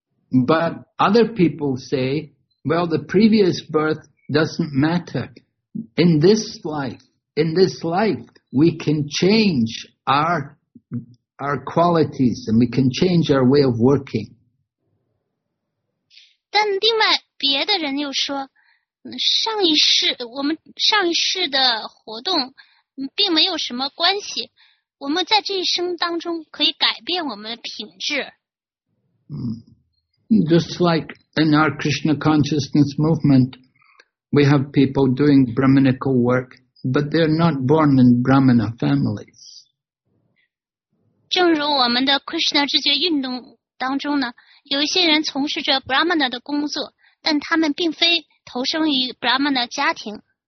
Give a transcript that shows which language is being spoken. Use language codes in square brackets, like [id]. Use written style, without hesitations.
[en] But other people say, well, the previous birth doesn't matter. In this life, we can change our our qualities and we can change our way of working. [zh] 但另外别的人又说上一世我们上一世的活动并没有什么关系我们在这一生当中可以改变我们的品质。 [en] Just like in our Krishna Consciousness Movement, we have people doing Brahminical work, but they're not born in Brahmana families. [zh] 正如我们的 Krishna 知觉运动当中呢，有一些人从事着 Brahmana 的工作，但他们并非投生于 Brahmana 家庭。